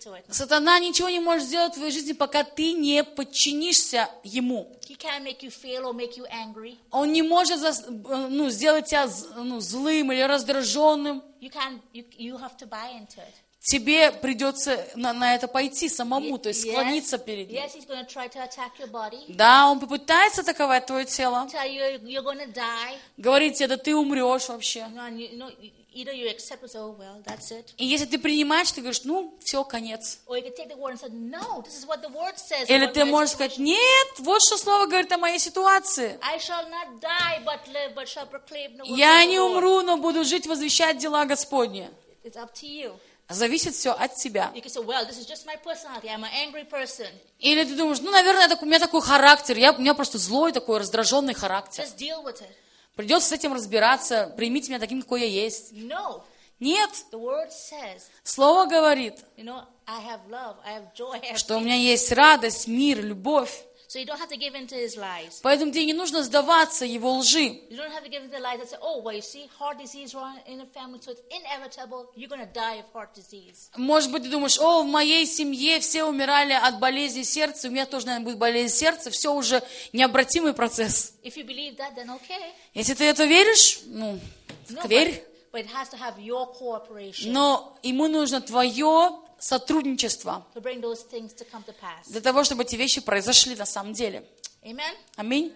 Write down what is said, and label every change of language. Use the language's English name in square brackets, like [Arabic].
[Russian] Сатана ничего не может сделать в твоей жизни, пока ты не подчинишься ему. [English] He can't make you fail or make you angry. [Russian] Он не может сделать тебя злым или раздраженным. [English] You have to buy into it. [Russian] Тебе придется на это пойти самому, то есть склониться перед ним. [English] Yes, he's going to try to attack your body. [Russian] Да, он попытается атаковать твое тело. [English] Tell you you're going to die. [Russian] Говорит тебе, да ты умрешь вообще. [English] Either you accept it, oh well, that's it. [Russian] И если ты принимаешь, ты говоришь, все, конец. [English] Or you can take the word and say, no, this is what the word says. [Russian] Или ты можешь сказать, нет, вот что слово говорит о моей ситуации. [English] I shall not die, but live, but shall proclaim the word. [Russian] Я не умру, но буду жить, возвещать дела Господни. [English] It's up to you. [Russian] Зависит все от тебя. [English] You can say, well, this is just my personality. I'm an angry person. [Russian] Или ты думаешь, наверное, у меня такой характер, у меня просто злой такой раздраженный характер. [English] Just deal with it. [Russian] Придется с этим разбираться, примите меня таким, какой я есть. [English] No. [Russian] Нет. [English] The word says, [Russian] слово говорит, [English] you know, I have love, I have joy, I have [Russian] что у меня есть радость, мир, любовь. [English] So you don't have to give in to his lies. [Russian] Поэтому тебе не нужно сдаваться его лжи. [English] You don't have to give in to the lies and say, oh, well, you see, heart disease run in the family, so it's inevitable, you're going to die of heart disease. [Russian] Может быть, ты думаешь, в моей семье все умирали от болезни сердца, у меня тоже, наверное, будет болезнь сердца, все уже необратимый процесс. [English] If you believe that, then okay. [Russian] Если ты это веришь, верь. [English] But it has to have your cooperation. [Russian] Но ему нужно твое сотрудничество для того, чтобы эти вещи произошли на самом деле. Аминь.